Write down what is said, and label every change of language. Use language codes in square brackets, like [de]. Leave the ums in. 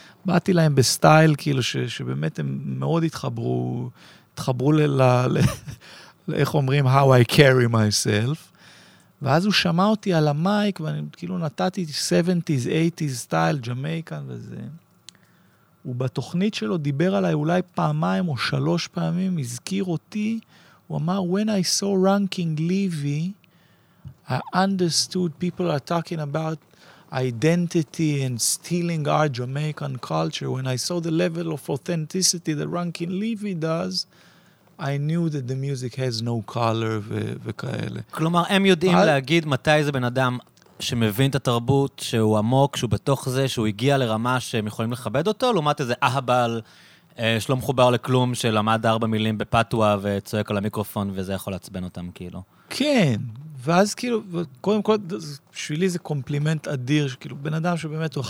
[he] באתי להם בסטייל, כאילו, ש, שבאמת הם מאוד התחברו. התחברו ל... ל, ל, ל איך אומרים? [en] How I carry myself. [he] ואז הוא שמע אותי על המייק, ואני כאילו נתתי 70's, 80's, סטייל, ג'מייקן וזה. ובתוכנית שלו דיבר עליי אולי פעמיים או שלוש פעמים, הזכיר אותי, הוא אמר, [en] When I saw ranking Levy, I understood people are talking about identity and stealing our Jamaican culture, when I saw the level of authenticity that Rankin Levy does, I knew that the music has no color ו- וכאלה. [he] כלומר, הם יודעים I... להגיד מתי זה בן אדם שמבין את התרבות, שהוא עמוק, שהוא בתוך זה, שהוא הגיע לרמה שהם יכולים לכבד אותו, לעומת איזה אהבל שלא מחובר לכלום, שלמד ארבע מילים בפתווה וצועק על המיקרופון, וזה יכול לעצבן אותם, כאילו. כן, ואז כאילו, קודם כל, בשבילי זה קומפלימנט אדיר, כאילו, בן אדם שבאמת הוא בטח.